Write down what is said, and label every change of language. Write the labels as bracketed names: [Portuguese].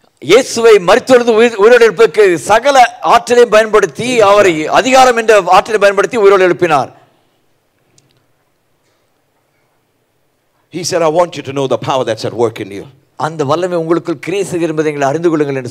[Tamil] இயேசுவை மரித்தொழுது உயிரோடு எழுப்பதற்கு சகல ஆற்றலையும் பயன்படுத்தி அவரை அதிகாரம் என்ற ஆற்றலை பயன்படுத்தி உயிரோடு எழுப்பினார். [English] He said, I want you to know the power that's at work in you. [Tamil] அந்த வல்லமை உங்களுக்குள் கிரியை செய்கிறது என்பதை நீங்கள் அறிந்து கொள்ளுங்கள் என்று